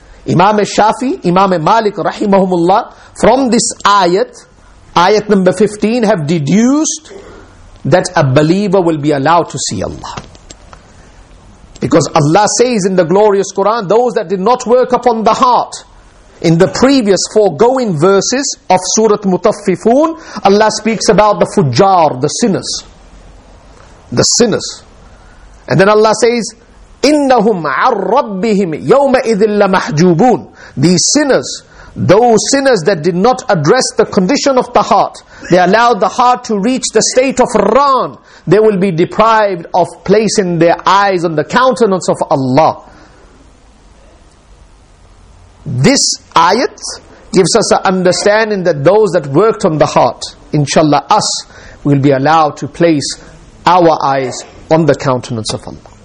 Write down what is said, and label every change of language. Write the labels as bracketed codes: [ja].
[en] Imam Shafi, Imam Malik, rahimahumullah, from this ayat, ayat number 15, have deduced that a believer will be allowed to see Allah. Because Allah says in the glorious Quran, those that did not work upon the heart, in the previous foregoing verses of Surah Mutaffifun, Allah speaks about the fujjar, the sinners. The sinners. And then Allah says, [ar] إِنَّهُمْ عَنْ رَبِّهِمْ يَوْمَئِذٍ لَمَحْجُوبُونَ. [en] These sinners, those sinners that did not address the condition of the heart, they allowed the heart to reach the state of Ran, they will be deprived of placing their eyes on the countenance of Allah. This ayat gives us an understanding that those that worked on the heart, inshallah us, will be allowed to place our eyes on the countenance of Allah.